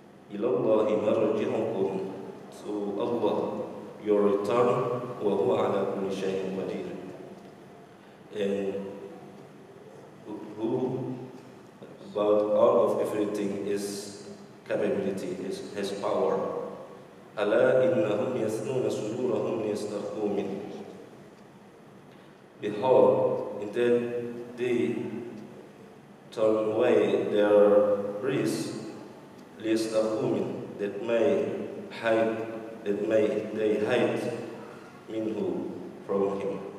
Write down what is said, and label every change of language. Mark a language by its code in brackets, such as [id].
[ar] إلى الله مرجعكم, [en] to Allah your return, [ar] وهو على كل شيء قدير. [en] And who about all of everything is capability, is his power. [ar] ألا إنهم يثنون صدورهم ليستخفوا منه. [en] Behold, indeed they turn away their breath, [ar] ليستخفوا منه, [en] that they hide [ar] منه, [en] from him.